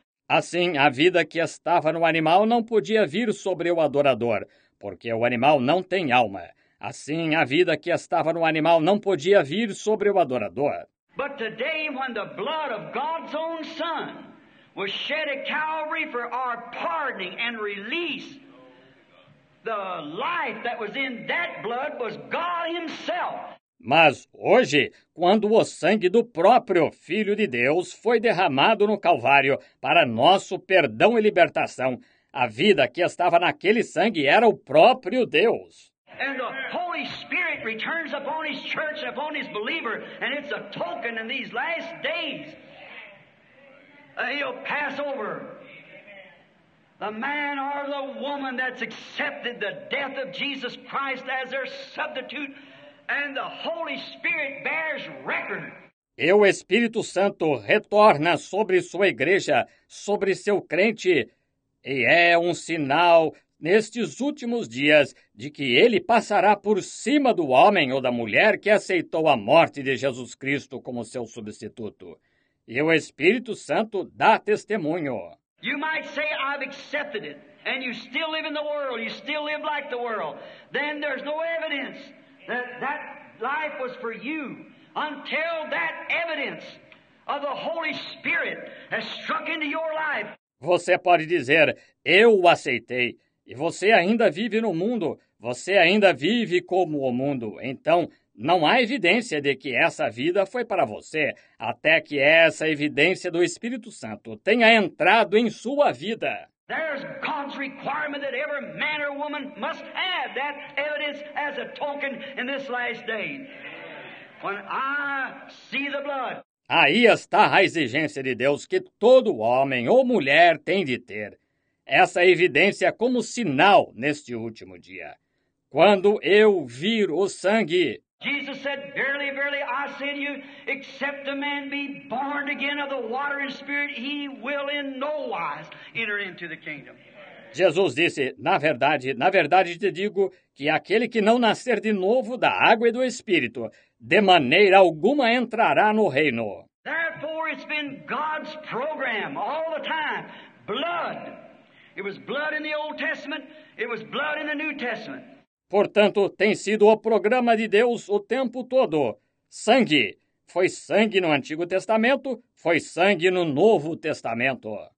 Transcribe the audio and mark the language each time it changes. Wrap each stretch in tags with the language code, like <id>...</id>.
<pt>Assim, a vida que estava no animal não podia vir sobre o adorador, porque o animal não tem alma. Assim, a vida que estava no animal não podia vir sobre o adorador.</pt> <en>But today, when the blood of God's own Son was shed at Calvary for our pardoning and release, the life that was in that blood was God Himself.</en> <pt>Mas hoje, quando o sangue do próprio Filho de Deus foi derramado no Calvário para nosso perdão e libertação, a vida que estava naquele sangue era o próprio Deus.</pt> <en>And the Holy Spirit returns upon his church and upon his believer, and it's a token in these last days. He'll pass over the man or the woman that's accepted the death of Jesus Christ as their substitute. And the Holy Spirit bears record.</en> <pt>E o Espírito Santo retorna sobre sua igreja, sobre seu crente, e é um sinal nestes últimos dias de que ele passará por cima do homem ou da mulher que aceitou a morte de Jesus Cristo como seu substituto. E o Espírito Santo dá testemunho.</pt> <en>You might say, I've accepted it, and you still live in the world, you still live like the world. Then there's no evidence. That life was for you until that evidence of the Holy Spirit has struck into your life.</en> <pt>Você pode dizer, eu o aceitei, e você ainda vive no mundo, você ainda vive como o mundo. Então, não há evidência de que essa vida foi para você, até que essa evidência do Espírito Santo tenha entrado em sua vida.</pt> <en>There's God's requirement that every man or woman must have that evidence as a token in this last day. When I see the blood.</en> <pt>Aí está a exigência de Deus que todo homem ou mulher tem de ter. Essa evidência como sinal neste último dia. Quando eu vir o sangue.</pt> <en>Jesus said, verily, verily, I say to you, except a man be born again of the water and spirit, he will in no wise enter into the kingdom.</en> <pt>Jesus disse, na verdade te digo que aquele que não nascer de novo da água e do Espírito, de maneira alguma entrará no reino.</pt> <en>Therefore, it's been God's program all the time. Blood. It was blood in the Old Testament, it was blood in the New Testament.</en> <pt>Portanto, tem sido o programa de Deus o tempo todo. Sangue. Foi sangue no Antigo Testamento, foi sangue no Novo Testamento.</pt>